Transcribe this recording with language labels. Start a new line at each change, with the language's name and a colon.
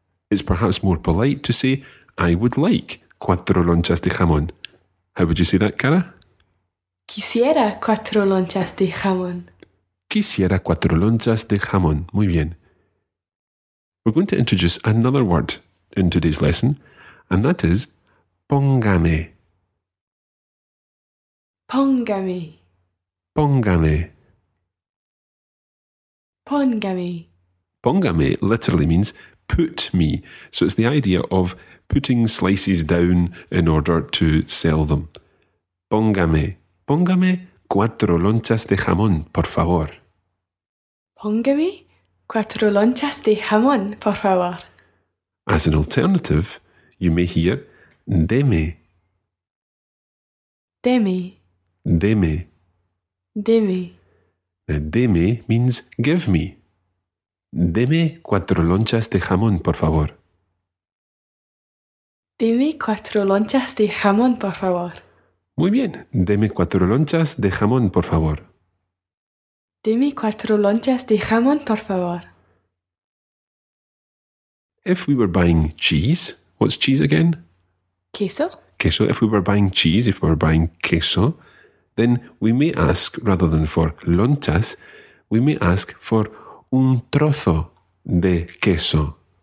English: It's perhaps more polite to say, I would like
Spanish: cuatro lonchas de jamón.
English: How would you say that, Cara?
Spanish: Quisiera cuatro lonchas de jamón. Quisiera cuatro lonchas de jamón. Muy bien.
English: We're going to introduce another word in today's lesson, and that is póngame.
Spanish: Póngame. Póngame. Póngame.
English: Póngame literally means put me. So it's the idea of putting slices down in order to sell them.
Spanish: Póngame. Póngame cuatro lonchas de jamón, por favor. Póngame cuatro lonchas de jamón, por favor.
English: As an alternative, you may hear deme.
Spanish: Deme. Deme. Deme.
English: Deme means give me.
Spanish: Deme cuatro lonchas de jamón, por favor. Deme cuatro lonchas de jamón, por favor. Muy bien. Deme cuatro lonchas de jamón, por favor. Deme cuatro lonchas de jamón, por favor.
English: If we were buying cheese, what's cheese again?
Spanish: Queso.
English: Queso. If we were buying cheese, if we were buying queso, then we may ask, rather than for lonchas, we may ask for
Spanish: un trozo de queso.